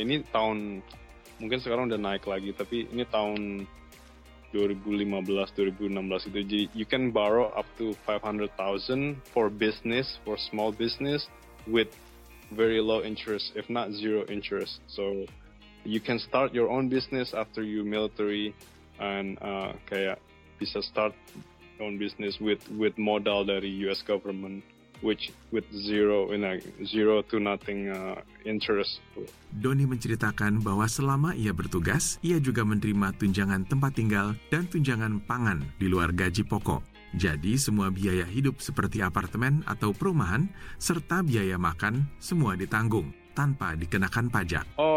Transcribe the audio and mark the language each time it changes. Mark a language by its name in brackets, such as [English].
[Indonesian] Ini tahun, mungkin sekarang udah naik lagi, tapi ini tahun 2015-2016 gitu. [English] Jadi you can borrow up to 500,000 for small business with very low interest, if not zero interest. So you can start your own business after you military and [Indonesian] kayak bisa [English] start own business with [Indonesian] modal dari [English] US government, which with zero to nothing interest. [Indonesian] Doni menceritakan bahwa selama ia bertugas, ia juga menerima tunjangan tempat tinggal dan tunjangan pangan di luar gaji pokok. Jadi semua biaya hidup seperti apartemen atau perumahan serta biaya makan semua ditanggung tanpa dikenakan pajak.